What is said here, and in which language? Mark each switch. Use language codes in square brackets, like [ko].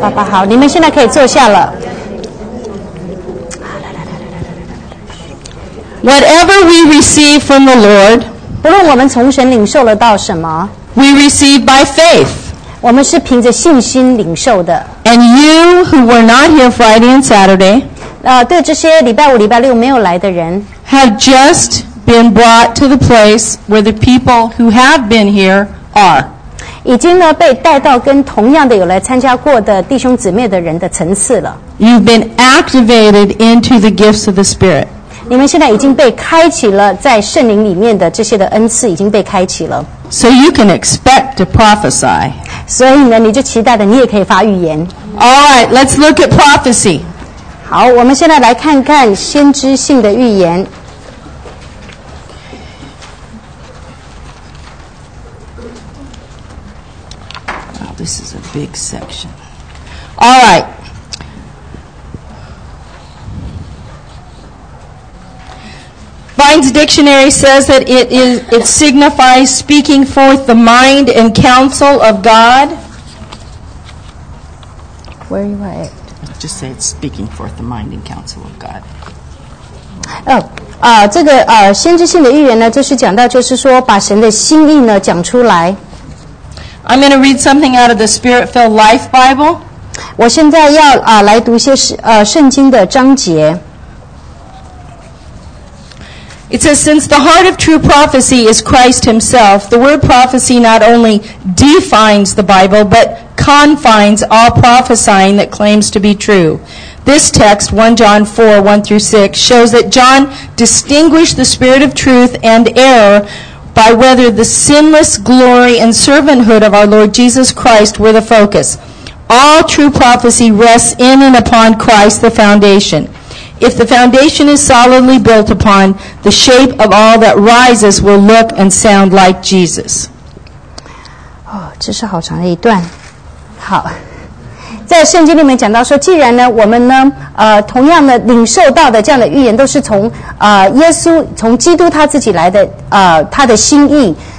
[zh] 好，你们现在可以坐下了。 [en] Whatever we receive from the Lord, [zh] 不论我们从神领受了到什么 [en] we receive by faith. [zh] 我们是凭着信心领受的。 [en] And you who were not here Friday and Saturday, [zh] 对这些礼拜五、礼拜六没有来的人 [en] have just been brought to the place where the people who have been here are. [zh] 已经呢被带到跟同样的有来参加过的弟兄姊妹的人的层次了。 [en] You've been activated into the gifts of the Spirit. [zh] 你们现在已经被开启了，在圣灵里面的这些的恩赐已经被开启了。 [en] So you can expect to prophesy. [zh] 所以呢，你就期待的，你也可以发预言。 [en] All right, let's look at prophecy. [zh] 好，我们现在来看看先知性的预言。 [en] Wow, this is a big section. All right. Bynes Dictionary says that it signifies speaking forth the mind and counsel of God. Where are you at? Just say it's speaking forth the mind and counsel of God. [zh] Oh, 这个先知性的预言呢，就是讲到就是说把神的心意呢讲出来。 [en] I'm going to read something out of the Spirit-filled Life Bible. [zh] 我现在要来读一些圣经的章节。 [en] It says, since the heart of true prophecy is Christ himself, the word prophecy not only defines the Bible, but confines all prophesying that claims to be true. This text, 1 John 4, 1-6, shows that John distinguished the spirit of truth and error by whether the sinless glory and servanthood of our Lord Jesus Christ were the focus. All true prophecy rests in and upon Christ, the foundation. If the foundation is solidly built upon, the shape of all that rises will look and sound like Jesus. [zh] Oh, 这是好长的一段。好，在圣经里面讲到说，既然呢，我们呢，同样的领受到的这样的预言都是从耶稣，从基督他自己来的他的心意。